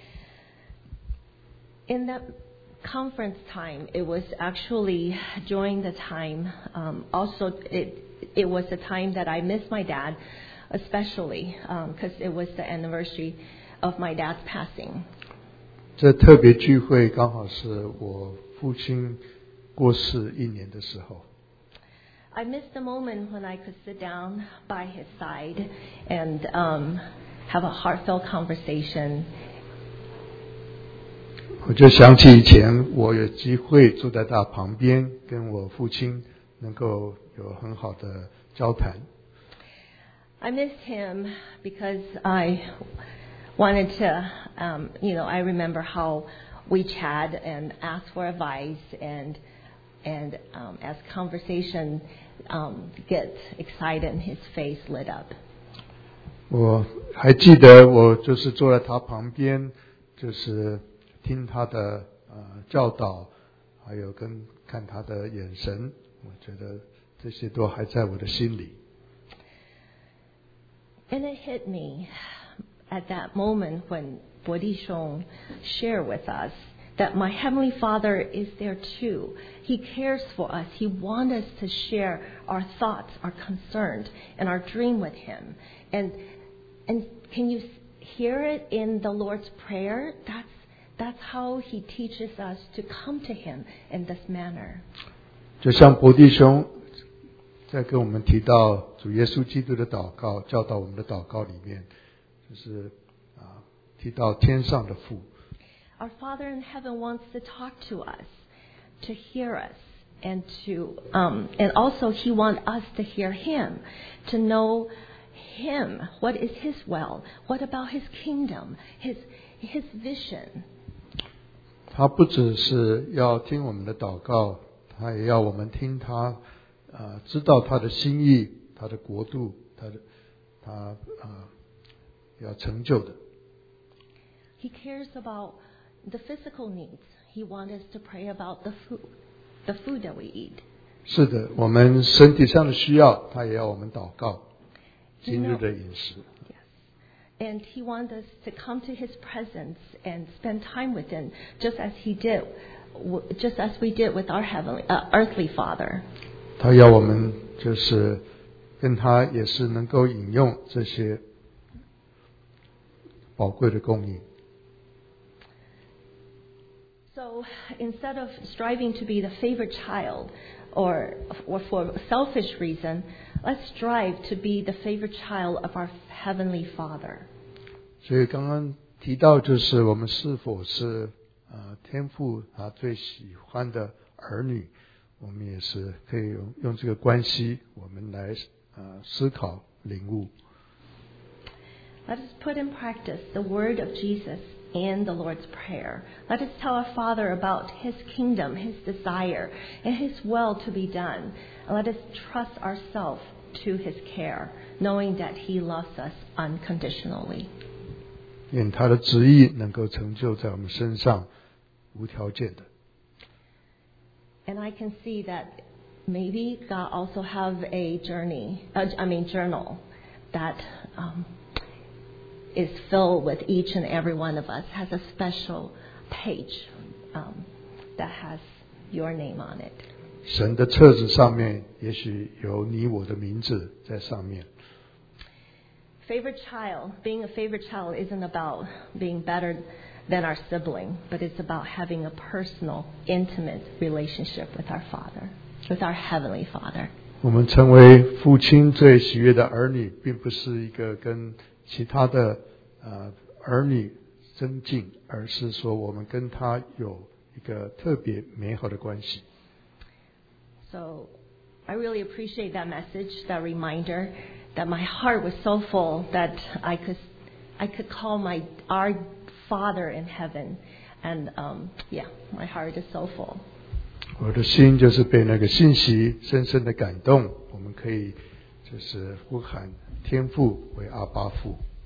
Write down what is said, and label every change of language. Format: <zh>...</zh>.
<zh>我们可以看到他是一个拯救我们的，他也是一个，就是把我们从黑暗的权势拯救出来的。但是这一位，我们可以称他为父亲，这个是很特别很特别的。</zh> <en>In that conference time, it was actually during the time. Also, it was the time that I missed my dad, especially because it was the anniversary. Of my dad's passing.</en> <zh>这特别聚会刚好是我父亲过世一年的时候。</zh> <en>I missed the moment when I could sit down by his side and have a heartfelt conversation.</en> <zh>我就想起以前我有机会坐在他旁边，跟我父亲能够有很好的交谈。</zh> <en>I missed him because I wanted to, you know, I remember how we chat and ask for advice and as conversation gets excited, his face lit up.</en> <zh>我还记得我就是坐在他旁边，就是听他的教导，还有跟看他的眼神，我觉得这些都还在我的心里。</zh> <en>And it hit me at that moment when Bodhi Shong shared with us that my Heavenly Father is there too. He cares for us. He wants us to share our thoughts, our concerns, and our dream with Him. And can you hear it in the Lord's Prayer? That's how He teaches us to come to Him in this manner.</en> <zh>就像伯弟兄在跟我们提到主耶稣基督的祷告，教导我们的祷告里面，就是提到天上的父。</zh> <en>Our Father in heaven wants to talk to us, to hear us, and to and also He wants us to hear Him, to know Him. What is His will? What about His kingdom? His vision.</en> <zh>他不只是要听我们的祷告，他也要我们听他，知道他的心意，他的国度，他要成就的。</zh> <en>He cares about the physical needs. He wants us to pray about the food that we eat.</en> <zh>是的，我们身体上的需要，他也要我们祷告，今日的饮食。</zh> <en>And he wants us to come to his presence and spend time with him, just as we did with our earthly father.</en> <zh>他要我们就是跟他也是能够饮用这些宝贵的供应。</zh> <en>So instead of striving to be the favorite child, or for selfish reason, let's strive to be the favorite child of our heavenly father.</en> <zh>所以刚刚提到就是我们是否是天父他最喜欢的儿女，我们也是可以用这个关系我们来思考领悟。</zh> <en>Let us put in practice the word of Jesus and the Lord's Prayer. Let us tell our Father about His kingdom, His desire, and His will to be done. Let us trust ourselves to His care, knowing that He loves us unconditionally.</en> <zh>愿他的旨意能够成就在我们身上，无条件的。</zh> <en>And I can see that maybe God also have a journey, I mean journal, that is filled with each and every one of us, has a special page that has your name on it.</en> <zh>神的册子上面也许有你我的名字在上面。</zh> <en>Favorite child, being a favorite child isn't about being better than our sibling, but it's about having a personal, intimate relationship with our Father, with our Heavenly Father.</en> <zh>我们成为父亲最喜悦的儿女，并不是一个跟其他的儿女增进，而是说我们跟他有一个特别美好的关系。</zh> <en>So, I really appreciate that message, that reminder. That my heart was so full that I could call our Father in heaven. And my heart is so full.</en> <zh>我的心就是被那个信息深深的感动，我们可以就是呼喊天父为阿爸父。</zh>